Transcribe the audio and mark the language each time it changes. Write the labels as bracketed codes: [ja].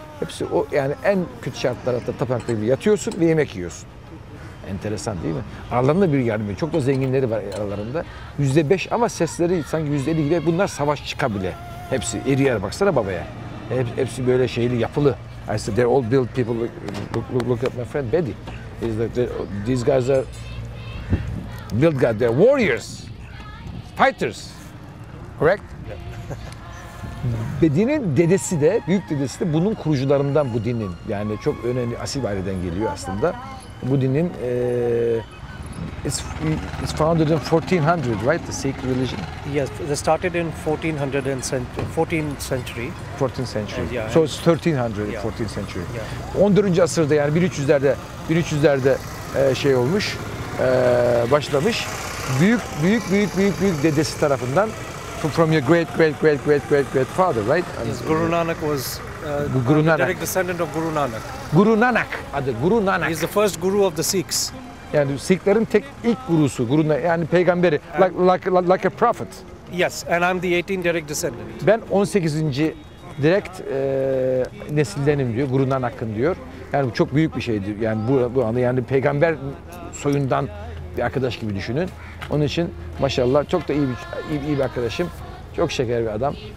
[tr] Hepsi o yani en kötü şartlarda tapınakta gibi yatıyorsun ve yemek yiyorsun. Enteresan değil mi? Aralarında bir yardım yok. Çok da zenginleri var aralarında. %5 ama sesleri sanki %50 gibi. Bunlar savaş çıka bile. Hepsi iri yer, baksana babaya. Hepsi böyle şeyli yapılı. [en] I said, they're all built people. Look at my friend Bedi. He's like, these guys are built guys. They're warriors, fighters. Correct? Yeah. [tr] Bedi'nin dedesi de, büyük dedesi de bunun kurucularından bu dinin. Yani çok önemli, asil aileden geliyor aslında. Bu dinin, [en] it's founded in 1400, right? The Sikh religion? Yes, they started in 14th century. 14th century. Yeah, so it's 1300, yeah. 14th century. Yeah. 14. [tr] asırda yani 1300'lerde şey olmuş, başlamış. Büyük dedesi tarafından. [en] From your great father, right? Yes, Guru Nanak was Guru Nanak. Direct descendant of Guru Nanak. [tr] Guru Nanak adı, Guru Nanak. [en] He's the first guru of the Sikhs. [tr] Yani Sikhlerin tek ilk gurusu, guru yani peygamberi, [en] like a prophet. Yes, and I'm the 18th direct descendant. [tr] Ben 18. direkt nesildenim diyor, Guru Nanak'ın diyor. Yani çok büyük bir şeydir. Yani bu anda yani peygamber soyundan bir arkadaş gibi düşünün. Onun için maşallah çok da iyi bir arkadaşım, çok şeker bir adam.